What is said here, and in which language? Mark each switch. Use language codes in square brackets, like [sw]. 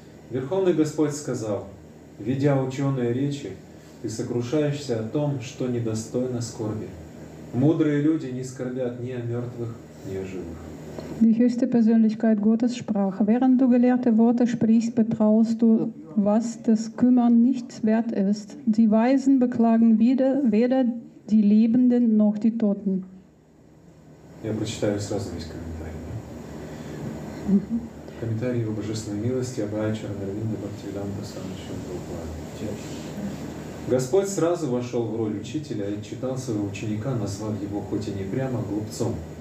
[ru] Верховный Господь сказал, ведя ученые речи, ты сокрушаешься о том, что недостойно скорби. Мудрые люди не скорбят ни о мертвых, ни о живых. [de] Die höchste Persönlichkeit Gottes sprach, während du gelehrte Worte sprichst, betraust du, was das Kümmern nicht wert ist. Die Weisen beklagen weder die Lebenden noch die Toten. [ru] Я прочитаю сразу весь комментарий. Да? Комментарий его божественной милости Абая Чарнарвинда Бхактивиданта Сарнашанта Упада. Господь сразу вошел в роль учителя и читал своего ученика, назвав его хоть и не прямо глупцом.